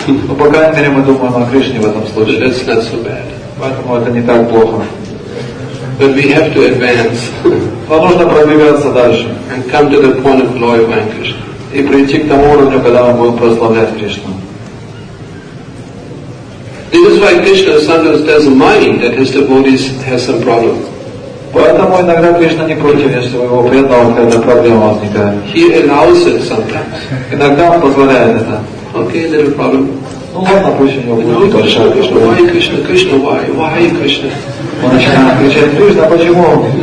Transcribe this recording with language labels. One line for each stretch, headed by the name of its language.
Russian: Ну, по крайней мере, мы думаем о Кришне в этом случае.
English: But that's not so bad.
Russian: Поэтому это не так плохо.
English: But we have to advance.
Russian: Вам нужно продвигаться дальше.
English: And come to the point of glorifying Krishna.
Russian: И прийти к тому уровню, когда мы будем прославлять Кришну.
English: This is why Krishna sometimes doesn't mind that his devotees have some problems.
Russian: Поэтому иногда Кришна не против, если у его преданного какая-то проблема возникает.
English: He allows it sometimes.
Russian: Иногда он позволяет это.
English: Okay, little problem.
Russian: Ну ладно, пусть у него будет большая
English: Кришна. Why Krishna? Krishna, why Krishna?
Russian: Он начинает кричать, Кришна, почему?